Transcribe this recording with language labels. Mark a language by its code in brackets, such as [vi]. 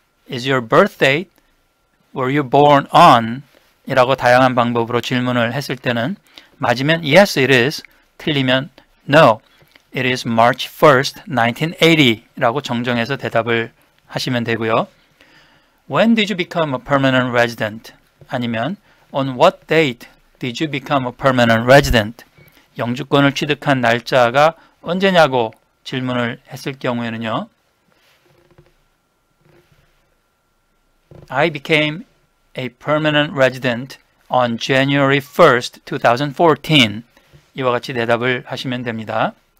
[en] Is your birth date? Were you born on? [ko] 이라고 다양한 방법으로 질문을 했을 때는 맞으면 [en] Yes, it is. [ko] 틀리면 [en] No, it is March 1st, 1980. [ko] 라고 정정해서 대답을 하시면 되고요. [en] When did you become a permanent resident? [ko] 아니면 [en] On what date did you become a permanent resident? [ko] 영주권을 취득한 날짜가 언제냐고 질문을 했을 경우에는요. [en] I became a permanent resident on January 1st, 2014. [ko] 이와 같이 대답을 하시면 됩니다.